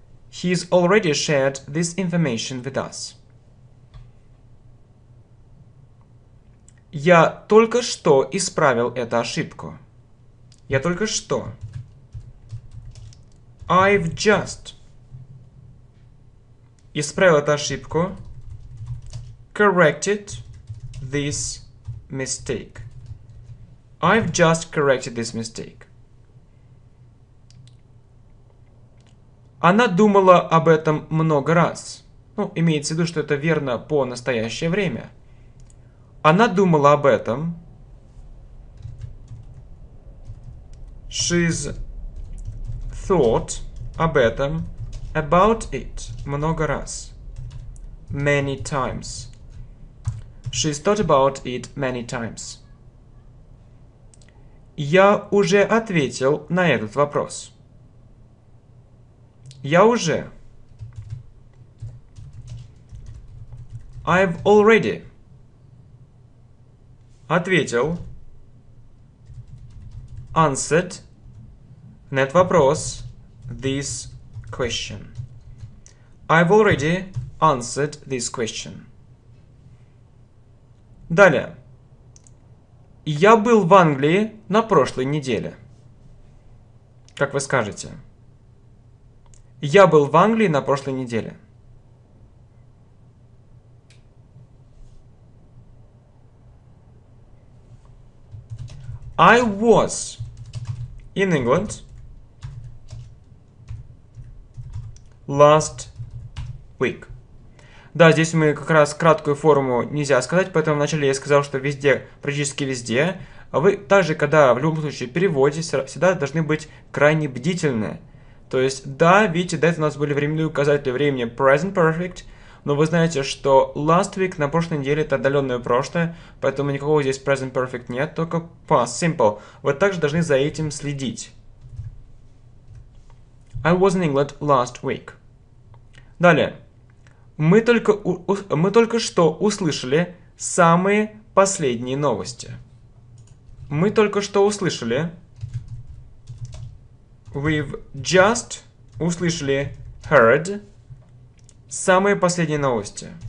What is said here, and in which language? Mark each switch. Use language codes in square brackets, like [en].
[en] He's already shared this information with us. [ru] Я только что исправил эту ошибку. Я только что. [en] I've just [ru] исправил эту ошибку. [en] Corrected this mistake. I've just corrected this mistake. [ru] Она думала об этом много раз. Ну, имеется в виду, что это верно по настоящее время. Она думала об этом. [en] She's thought [ru] об этом, [en] about it, [ru] много раз. [en] Many times. She's thought about it many times. [ru] Я уже ответил на этот вопрос. Я уже. [en] I've already [ru] ответил, [en] answered [ru] на этот вопрос, [en] this question. I've already answered this question. [ru] Далее. Я был в Англии на прошлой неделе. Как вы скажете? Я был в Англии на прошлой неделе. [en] I was in England last week. [ru] Да, здесь мы как раз краткую форму нельзя сказать, поэтому вначале я сказал, что везде, практически везде, Вы также, когда в любом случае переводите, всегда должны быть крайне бдительны. То есть, да, видите, до этого у нас были временные указатели времени present perfect, но вы знаете, что [en] last week [ru] на прошлой неделе это отдаленное прошлое, поэтому никакого здесь present perfect нет, только past simple. Вы также должны за этим следить. [en] I was in England last week. [ru] Далее. Мы только что услышали самые последние новости. Мы только что услышали. [en] We've just [ru] услышали, [en] heard, [ru] самые последние новости.